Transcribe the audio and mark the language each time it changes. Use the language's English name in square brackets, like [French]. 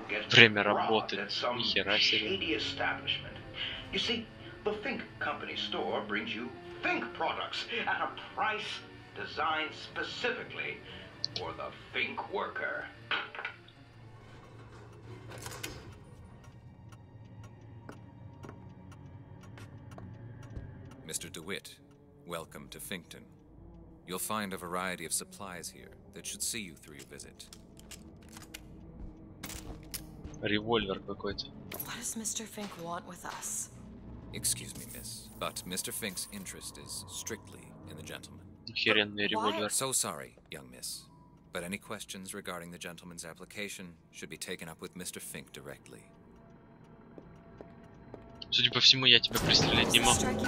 [Russian] Время работы, нихера себе. [English] You see, the Fink Company store brings you Fink products at a price designed specifically for the Fink worker. Mr. DeWitt, welcome to Finkton. You'll find a variety of supplies here that should see you through your visit. [Russian] Револьвер какой-то. [English] What does Mr. Fink want with us? Excuse me, miss, but Mr. Fink's interest is strictly in the gentleman. [Russian] Херенный револьвер. [English] So sorry, young miss. But any questions regarding the gentleman's application should be taken up with Mr. Fink directly. [Russian] Судя по всему, я тебя пристрелить не могу.